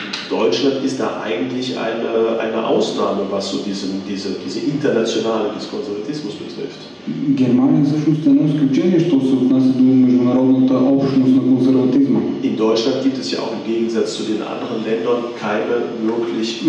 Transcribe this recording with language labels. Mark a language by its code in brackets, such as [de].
[de] Deutschland ist da eigentlich eine Ausnahme, was so diese internationale des Konservatismus betrifft. [bg] Германия всъщност е едно изключение, що се отнася до международната общност на консерватизма. [de] In Deutschland gibt es ja auch im Gegensatz zu den anderen Ländern keine wirklich